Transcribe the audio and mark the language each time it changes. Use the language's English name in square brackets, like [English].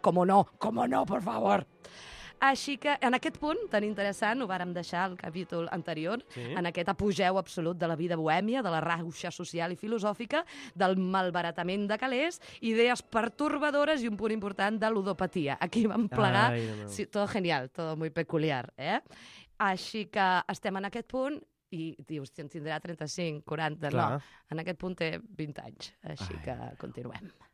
[Catalan] Com no, [Spanish] por favor! [Catalan] Així que, en aquest punt tan interessant, ho vàrem deixar al capítol anterior, en aquest apogeu absolut de la vida bohèmia, de la rauxa social i filosòfica, del malbaratament de calés, idees pertorbadores i un punt important de ludopatia. Aquí vam plegar... [Spanish] Sí, todo genial, todo muy peculiar, eh? [Catalan] Així que estem en aquest punt i dius, en tindrà 35, 40, clar. No. En aquest punt té 20 anys, així que continuem.